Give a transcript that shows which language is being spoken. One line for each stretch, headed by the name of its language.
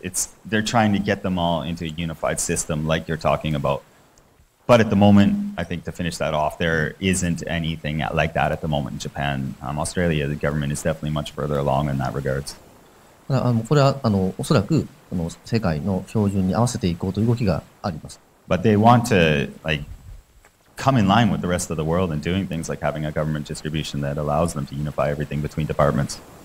English: It's, they're trying to get them all into a unified system like you're talking about. But at the moment, I think to finish that off, there isn't anything like that at the moment in Japan. Australia, the government is definitely much further along in that regard.
Japanese: これはおそらく世界の標準に合わせていこうという動きがあります。
English: But they want to, like,come in line with the rest of the world and doing things like having a government distribution that allows them to unify everything between departments.